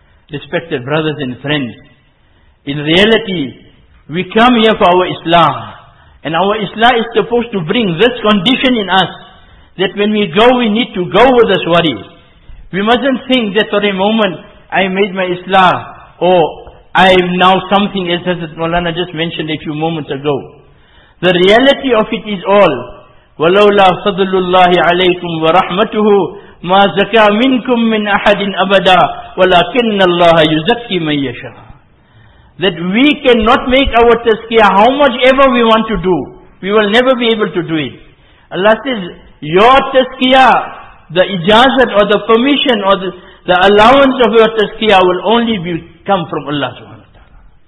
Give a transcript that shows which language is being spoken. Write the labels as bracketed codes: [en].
[en] Respected brothers and friends, in reality, we come here for our Islam, and our Islam is supposed to bring this condition in us, that when we go, we need to go with this worry. We mustn't think that for a moment, I made my Islam, or I am now something, as Hazrat Maulana just mentioned a few moments ago. [ar] The reality of it is all, وَلَوْلَا فَضْلُ اللَّهِ عَلَيْكُمْ وَرَحْمَتُهُ مَا زَكَى مِنْكُمْ مِنْ أَحَدٍ أَبَدًا وَلَكِنَّ اللَّهَ يُزَكِّي مَنْ يَشَاءُ. [en] That we cannot make our tazkiyah how much ever we want to do. We will never be able to do it. Allah says, your tazkiyah, the ijazat or the permission or the allowance of your tazkiyah will only be come from Allah subhanahu wa ta'ala.